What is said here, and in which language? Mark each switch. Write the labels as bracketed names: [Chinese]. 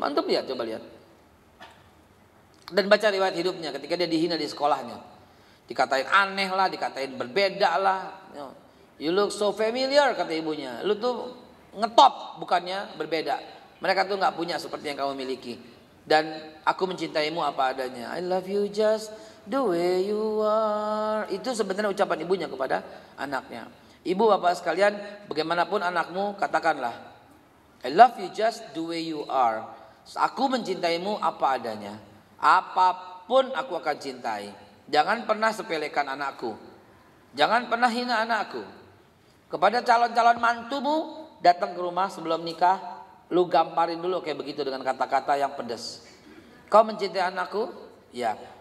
[Indonesian] Antum lihat, coba lihat. Dan baca riwayat hidupnya ketika dia dihina di sekolahnya. Dikatain aneh lah, dikatain berbeda lah. [English] You look so familiar, [Indonesian] kata ibunya. Lu tuh ngetop, bukannya berbeda. Mereka tuh gak punya seperti yang kamu miliki. Dan aku mencintaimu apa adanya. [English] I love you just the way you are. [Indonesian] Itu sebenarnya ucapan ibunya kepada anaknya. Ibu bapak sekalian, bagaimanapun anakmu, katakanlah. [English] I love you just the way you are. [Indonesian] Aku mencintaimu apa adanya. Apapun aku akan cintai. Jangan pernah sepelekan anakku. Jangan pernah hina anakku. Kepada calon-calon mantumu, datang ke rumah sebelum nikah, lu gamparin dulu kayak begitu dengan kata-kata yang pedes. Kau mencintai anakku? Ya.